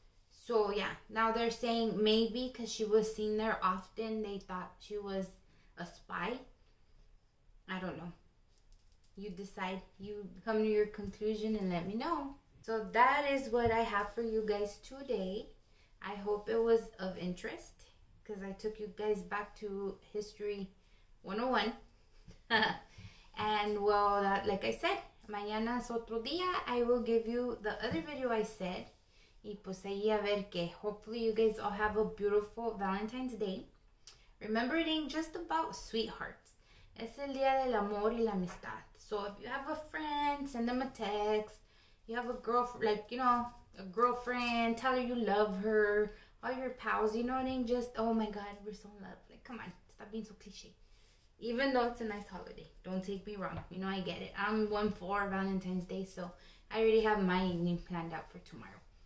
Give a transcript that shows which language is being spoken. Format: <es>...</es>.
<en>So yeah, now they're saying maybe because she was seen there often, they thought she was a spy. I don't know. You decide. You come to your conclusion and let me know. So that is what I have for you guys today. I hope it was of interest, because I took you guys back to history 101. And well, like I said,</en> <es>mañana es otro día.</es> <en>I will give you the other video I said.</en> <es>Y pues ahí a ver qué.</es> <en>Hopefully you guys all have a beautiful Valentine's Day. Remember, it ain't just about sweethearts.</en> <es>Es el día del amor y la amistad.</es> <en>So if you have a friend, send them a text. You have a girlfriend, like, you know, a girlfriend, tell her you love her. All your pals, you know what I mean? Just, oh my God, we're so in love. Like, come on, stop being so cliche. Even though it's a nice holiday, don't take me wrong. You know, I get it. I'm 1-4 Valentine's Day, so I already have my evening planned out for tomorrow.</en>